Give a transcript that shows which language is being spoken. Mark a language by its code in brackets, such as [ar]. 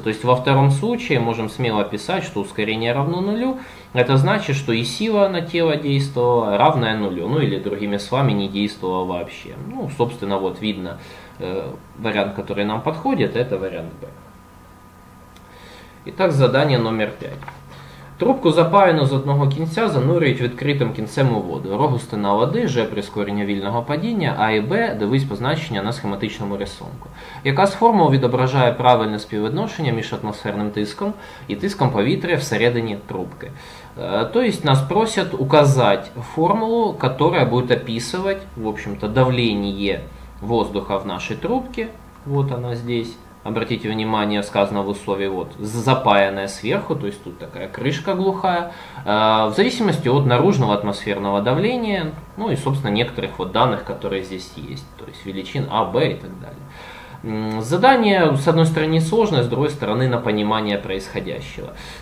[ru] То есть во втором случае можем смело писать, что ускорение равно нулю. Это значит, что и сила на тело действовала равная нулю, ну или другими словами, не действовала вообще. Ну, собственно, вот видно, вариант, который нам подходит, это вариант Б. Итак, задание номер 5. [uk] Трубку запаяну з одного кінця занурюють відкритим кінцем у воду. Рогустина води, G при скоренні вільного падіння, А і Б, дивись позначення на схематичному рисунку. Яка з формул відображає правильне співвідношення між атмосферним тиском і тиском повітря всередині трубки? Тобто нас просять указати формулу, яка буде описувати, [ru] в общем-то, [uk] давлення воздуха в нашій трубці. [ru] Вот вона здесь. Обратите внимание, сказано в условии, вот, запаянная сверху, то есть тут такая крышка глухая, в зависимости от наружного атмосферного давления, ну и, собственно, некоторых вот данных, которые здесь есть, то есть величин А, Б и так далее. Задание, с одной стороны, сложное, с другой стороны, на понимание происходящего.